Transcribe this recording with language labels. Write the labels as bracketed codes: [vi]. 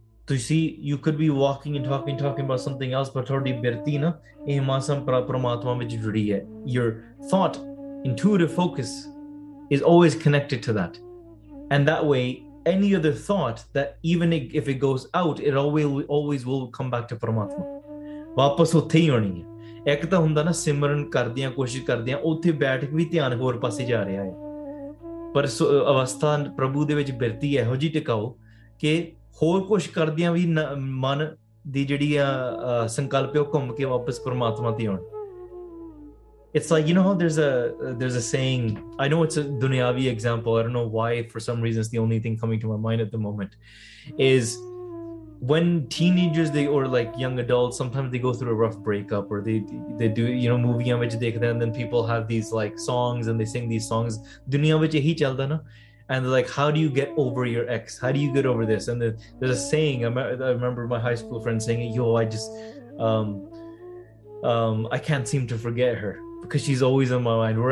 [en] To see, you could be walking and talking, talking about something else, but [pa] ਤੁਹਾਡੀ ਬਿਰਤੀ ਨਾ ਇਹ ਮਾਸਮ ਪਰਮਾਤਮਾ ਵਿੱਚ ਜੁੜੀ ਹੈ. [en] Your thought, intuitive focus, is always connected to that. And that way, any other thought, that even if it goes out, it always will come back to Paramatma. [pa] ਵਾਪਸ ਉੱਥੇ ਹੀ ਆਉਣੀ ਹੈ. ਇੱਕ ਤਾਂ ਹੁੰਦਾ ਨਾ ਸਿਮਰਨ ਕਰਦਿਆਂ, ਕੋਸ਼ਿਸ਼ ਕਰਦਿਆਂ, ਉੱਥੇ ਬੈਠ ਕੇ ਵੀ ਧਿਆਨ ਹੋਰ ਪਾਸੇ ਜਾ ਰਿਹਾ ਹੈ. ਪਰ ਅਵਸਥਾ ਪ੍ਰਭੂ ਦੇ ਵਿੱਚ ਬਿਰਤੀ ਇਹੋ ਜਿਹੀ ਟਿਕਾਓ ਕਿ ਹੋਰ ਕੁਛ ਕਰਦਿਆਂ ਵੀ ਮਨ ਦੀ ਜਿਹੜੀ ਆ ਸੰਕਲਪ ਹੈ ਉਹ ਘੁੰਮ ਕੇ ਵਾਪਸ ਪਰਮਾਤਮਾ ਤੇ ਆਉਣ. [en] It's like, you know how there's a saying, I know it's a dunyavi example, I don't know why, for some reason it's the only thing coming to my mind at the moment, is when teenagers, they or like young adults, sometimes they go through a rough breakup, or they do, you know, movie in which they can, and then people have these like songs and they sing these songs, [pa] duniya vich ehi chalda na, [en] and they're like, how do you get over your ex, how do you get over this, and there's a saying, I remember my high school friend saying, yo, I just I can't seem to forget her, because she's always on my mind.